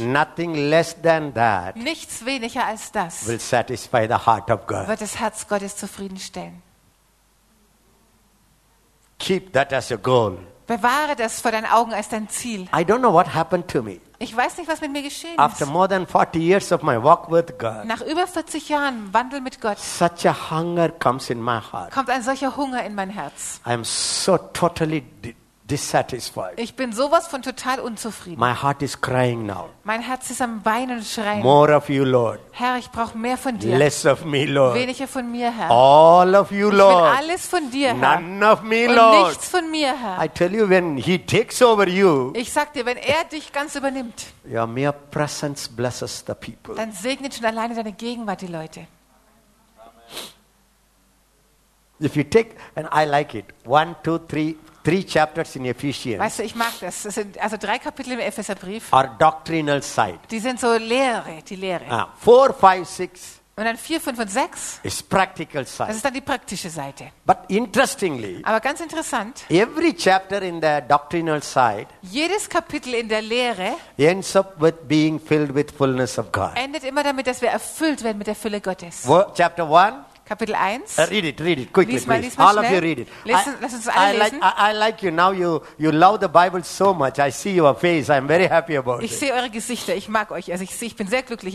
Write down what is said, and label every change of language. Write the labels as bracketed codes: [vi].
[en] Nothing less than that. [de] Nichts weniger als das. [en] Will satisfy the heart of God. [de] Wird das Herz Gottes zufriedenstellen. [en] Keep that as your goal. [de] Bewahre das vor deinen Augen als dein Ziel. [en] I don't know what happened to me. [de] Ich weiß nicht, was mit mir geschehen ist. [en] After more than 40 years of my walk with God. [de] Nach über 40 Jahren Wandel mit Gott. [en] Such a hunger comes in my heart. [de] Kommt ein solcher Hunger in mein Herz. [en] I am so totally dissatisfied. [de] Ich bin sowas von total unzufrieden. [en] My heart is crying now. [de] Mein Herz ist am Weinen und Schreien. [en] More of you, Lord. [de] Herr, ich brauche mehr von dir. [en] Less of me, Lord. [de] Weniger von mir, Herr. [en] All of you, Lord. [de] Ich will alles von dir, Herr. [en] None of me, [de] und [en] Lord. [de] Nichts von mir, Herr. [en] I tell you, when he takes over you. [de] Ich sag dir, wenn er dich ganz übernimmt. [en] Your mere presence blesses the people. [de] Dann segnet schon alleine deine Gegenwart die Leute. [en] Amen. If you take, and I like it, 1, 2, 3. Three chapters in Ephesians. [de] Weißt du, ich mag das. Das sind also 3 Kapitel im Epheserbrief. [en] Are doctrinal side. [de] Die sind so Lehre, die Lehre. [en] 4, 5, 6. [de] Und dann 4, 5 und 6. [en] Is practical side. [de] Das ist dann die praktische Seite. [en] But interestingly. [de] Aber ganz interessant. [en] Every chapter in the doctrinal side. [de] Jedes Kapitel in der Lehre. [en] Ends up with being filled with fullness of God. [de] Endet immer damit, dass wir erfüllt werden mit der Fülle Gottes. [en] Chapter 1. [de] Kapitel 1. [en] Read it quickly. [de] Lies mal [en] all of you read it. [de] Lass uns alle lesen. [en] I like you now. You love the Bible so much. I see your face. I'm very happy about it. [de] Ich sehe eure Gesichter. Ich mag euch. Also ich bin sehr glücklich.